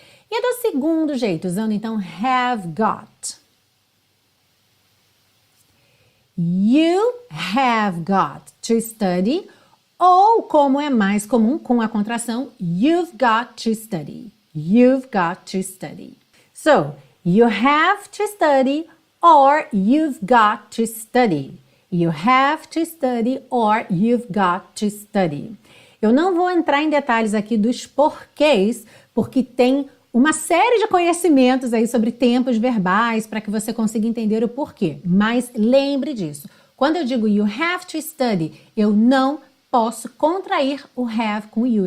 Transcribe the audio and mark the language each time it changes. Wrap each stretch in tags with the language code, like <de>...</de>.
<pt>E do segundo jeito, usando então have got.</pt> <en>You have got to study.</en> <pt>Ou, como é mais comum com a contração,</pt> <en>you've got to study. You've got to study. So, you have to study or you've got to study. You have to study or you've got to study.</en> <pt>Eu não vou entrar em detalhes aqui dos porquês, porque tem uma série de conhecimentos aí sobre tempos verbais para que você consiga entender o porquê. Mas lembre disso. Quando eu digo</pt> <en>you have to study,</en> <pt>eu não posso contrair o have com you.</pt>